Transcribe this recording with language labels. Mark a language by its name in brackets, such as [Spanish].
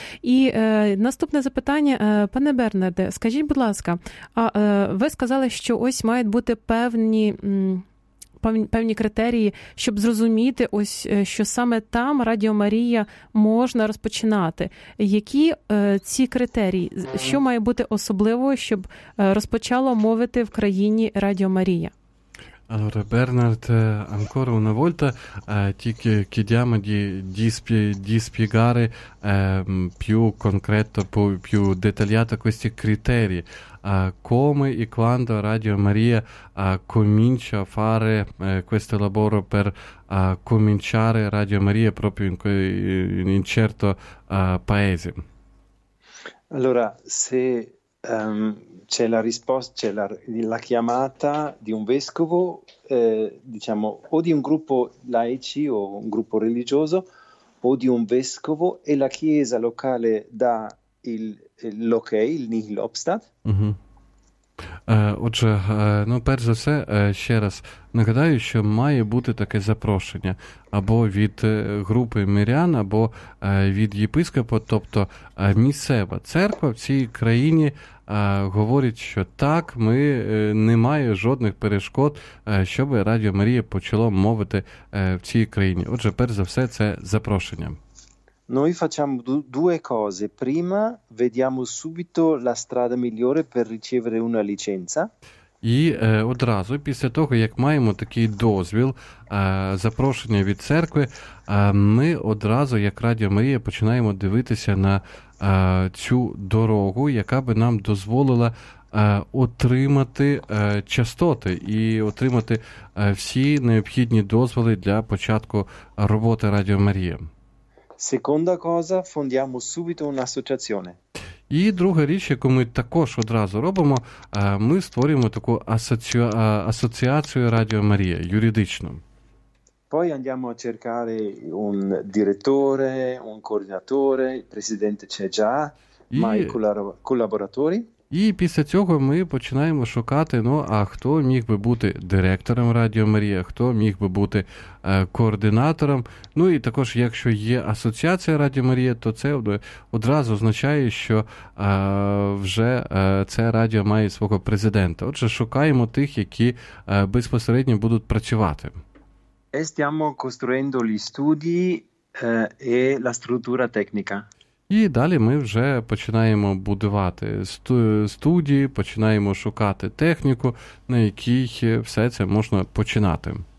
[Ukrainian] І наступне запитання, пане Бернарде, скажіть, будь ласка, ви сказали, що ось мають бути певні критерії, щоб зрозуміти, ось що саме там Радіо Марія можна розпочинати. Які ці критерії? Що має бути особливого, щоб розпочало мовити в країні Радіо Марія? [Italian] Allora, Bernard, ancora una volta ti chiediamo di spiegare più concreto, più dettagliato questi criteri. Come e quando Radio Maria comincia a fare questo lavoro per cominciare Radio Maria proprio in certo paese? Allora, se c'è la risposta, c'è la chiamata di un vescovo, diciamo, o di un gruppo laici o un gruppo religioso, o di un vescovo, e la chiesa locale dà l'ok, il nihil obstat. Mm-hmm. [Ukrainian] Отже, ну, перш за все, ще раз нагадаю, що має бути таке запрошення або від групи мирян, або від єпископа, тобто місцева церква в цій країні говорить, що так, ми не маємо жодних перешкод, щоб Радіо Марія почало мовити в цій країні. Отже, перш за все, це запрошення. [Italian] Noi facciamo due cose. Prima vediamo subito la strada migliore per ricevere una licenza. [Ukrainian] І одразу після того, як маємо такий дозвіл, запрошення від церкви, ми одразу, як Радіо Марія, починаємо дивитися на цю дорогу, яка би нам дозволила отримати частоти і отримати всі необхідні дозволи для початку роботи Радіо Марія. [Italian] Seconda cosa, fondiamo subito un'associazione. [Ukrainian] І друга річ, яку ми також одразу робимо, ми створюємо таку асоціацію Радіо Марія юридично. [Italian] Poi andiamo a cercare un direttore, un coordinatore, il presidente c'è già, ma i collaboratori. [Ukrainian] І після цього ми починаємо шукати, ну, а хто міг би бути директором Радіо Марія, хто міг би бути координатором. Ну, і також, якщо є асоціація Радіо Марія, то це одразу означає, що вже це радіо має свого президента. Отже, шукаємо тих, які безпосередньо будуть працювати. [Italian] E stiamo costruendo gli studi e la struttura tecnica. [Ukrainian] І далі ми вже починаємо будувати студії, починаємо шукати техніку, на якій все це можна починати.